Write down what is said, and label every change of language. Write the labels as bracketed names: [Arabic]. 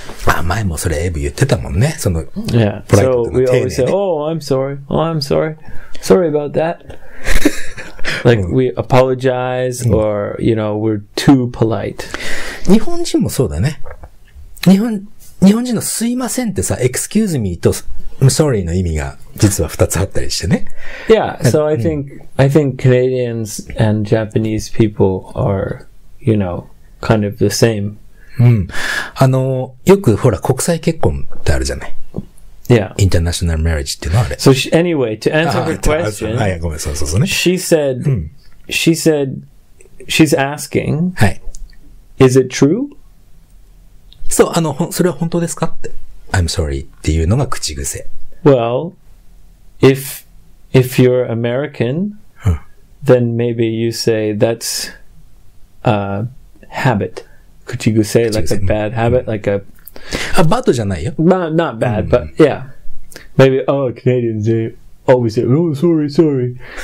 [Japanese] あ、前もそれエイブ言ってたもんね。その、 yeah. ポライトの丁寧ね。 [English] So we always say, oh, I'm sorry. Oh, I'm sorry. Sorry about that. Like, we apologize or, you know, we're too polite. [Japanese] 日本人もそうだね。日本人のすいませんってさ、 [English] excuse me [Japanese] と [English] I'm sorry [Japanese] の意味が実は二つあったりしてね。 [English] Yeah, so I think Canadians and Japanese people are, you know, kind of the same. [Japanese] うん。あの、よくほら国際結婚ってあるじゃない。 [English] Yeah. International marriage [Japanese] っていうのはあれ。 [English] So she, anyway, to answer her question, [Japanese] あ、ごめん、そうそうそうね。 [English] She said, she's asking,、 [Japanese] はい、 [English] is it true? [Japanese] そう、あの、それは本当ですかって。 [English] I'm sorry [Japanese] っていうのが口癖。 [English] Well, if you're American,、 [Japanese] うん、 [English] then maybe you say that's a habit. 口癖 like a bad habit,、うん、like a... [Japanese] あ、bad じゃないよ。 [English] Not bad,、うん、but yeah. Maybe, oh, Canadians, they always say, oh, sorry, sorry.